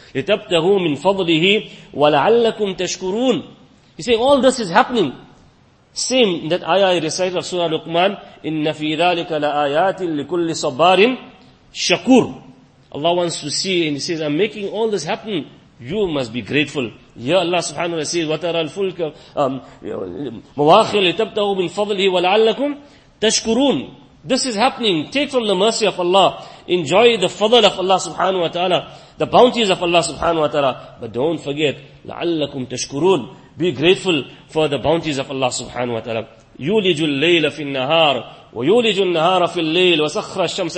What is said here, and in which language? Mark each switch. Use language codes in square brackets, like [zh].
[ar] لِتَبْتَهُ مِنْ فَضْلِهِ وَلَعَلَّكُمْ تَشْكُرُونَ. [en] He says all this is happening. Same in that ayah I recited of Surah Luqman, [ar] إِنَّ فِي ذَلِكَ لَآيَاتٍ لِكُلِّ صَبَّارٍ شَكُورٍ. [en] Allah wants to see and He says, I'm making all this happen. You must be grateful. Here Allah subhanahu wa ta'ala says, [ar] وَتَرَى الْفُلْكَ مُوَاخِرَ لِتَبْتَهُ مِنْ فَضْلِهِ وَلَعَلَّكُمْ تَشْكُرُونَ. [en] This is happening. Take from the mercy of Allah. Enjoy the fadl of Allah subhanahu wa ta'ala, the bounties of Allah subhanahu wa ta'ala. But don't forget, [ar] لَعَلَّكُمْ تَشْكُرُونَ. [en] Be grateful for the bounties of Allah subhanahu wa ta'ala. [ar] يُولِجُ اللَّيْلَ فِي النَّهَارِ وَيُولِجُ النَّهَارَ فِي اللَّيْلِ وَسَخْرَ الشَّمْسَ.